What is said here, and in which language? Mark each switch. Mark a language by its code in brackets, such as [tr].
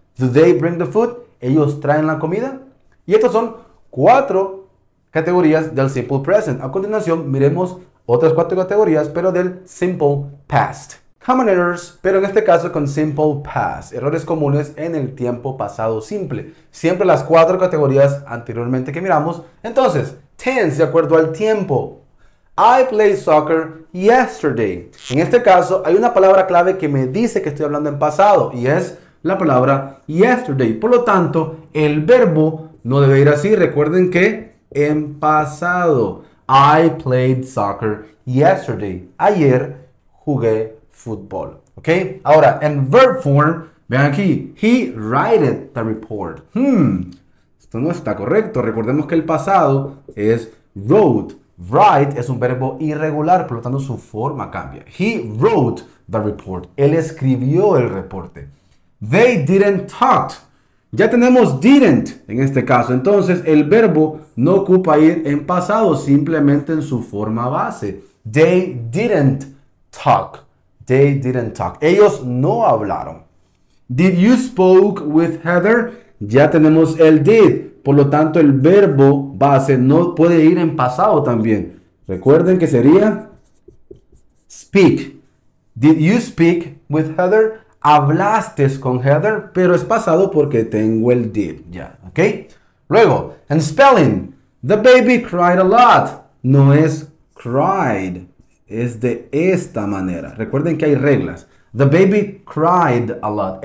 [en] Do they bring the food? [es] ¿Ellos traen la comida? Y estas son cuatro categorías del simple present. A continuación, miremos otras cuatro categorías, pero del simple past. [en] Common errors, [es] pero en este caso con simple past. Errores comunes en el tiempo pasado simple. Siempre las cuatro categorías anteriormente que miramos. Entonces, tense de acuerdo al tiempo. [en] I played soccer yesterday. [es] En este caso, hay una palabra clave que me dice que estoy hablando en pasado. Y es la palabra yesterday. Por lo tanto, el verbo no debe ir así. Recuerden que en pasado. [en] I played soccer yesterday. [es] Ayer jugué fútbol. ¿Ok? Ahora, en verb form, vean aquí. [en] He write the report. [es] Esto no está correcto. Recordemos que el pasado es wrote. Write es un verbo irregular, por lo tanto su forma cambia. [en] He wrote the report. [es] Él escribió el reporte. [en] They didn't talk. [es] Ya tenemos didn't en este caso. Entonces, el verbo no ocupa ir en pasado, simplemente en su forma base. [en] They didn't talk. They didn't talk. [es] Ellos no hablaron. [en] Did you spoke with Heather? [es] Ya tenemos el did. Por lo tanto, el verbo base no puede ir en pasado también. Recuerden que sería speak. [en] Did you speak with Heather? [es] Hablaste con Heather, pero es pasado porque tengo el did. Ya, ¿ok? Luego, en spelling. [en] The baby cried a lot. [es] No es cried. Es de esta manera. Recuerden que hay reglas. [en] The baby cried a lot.